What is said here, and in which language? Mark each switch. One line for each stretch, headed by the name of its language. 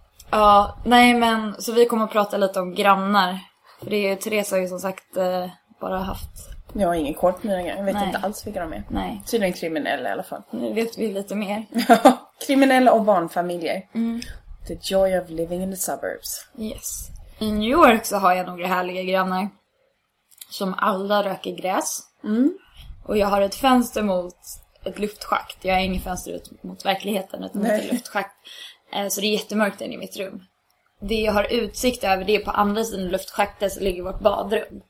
Swedish: Ja, nej men så vi kommer att prata lite om grannar. För det är ju, Therese har ju som sagt bara haft... Jag har ingen kort med det. Jag vet inte alls vilka de är. Nej. Tydligen kriminella i alla fall. Nu vet vi lite mer. Kriminella och barnfamiljer. Mm.
English: The joy of living in the suburbs. Yes.
Swedish: I New York så har jag några härliga grannar. Som alla röker gräs. Mm. Och jag har ett fönster mot ett luftschakt. Jag har inget fönster ut mot verkligheten utan mot ett luftschakt. Så det är jättemörkt in i mitt rum. Det jag har utsikt över det är på andra sidan luftschaktet så ligger vårt badrum.